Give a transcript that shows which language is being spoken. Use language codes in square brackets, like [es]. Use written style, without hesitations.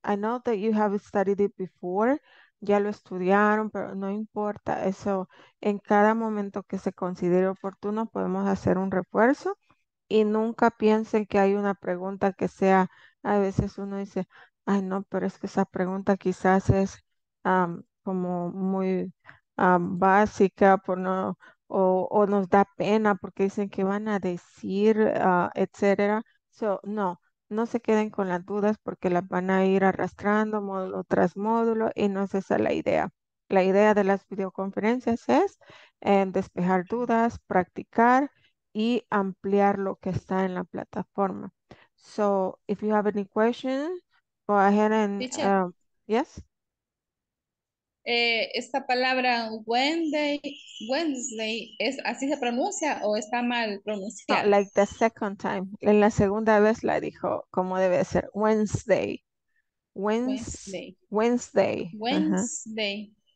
[en] I know that you have studied it before. [es] Ya lo estudiaron, pero no importa eso. En cada momento que se considere oportuno, podemos hacer un refuerzo. Y nunca piensen que hay una pregunta que sea, a veces uno dice, ay no, pero es que esa pregunta quizás es como muy básica por no, o nos da pena porque dicen que van a decir, etcétera. So, no, no se queden con las dudas porque las van a ir arrastrando módulo tras módulo y no es esa la idea. La idea de las videoconferencias es despejar dudas, practicar y ampliar lo que está en la plataforma. [en] So, if you have any questions, go ahead and, yes? [es] Esta palabra Wednesday, ¿es así se pronuncia o está mal pronunciada? [en] No, like the second time. [es] En la segunda vez la dijo, como debe ser, Wednesday. [en] Wednesday. Wednesday.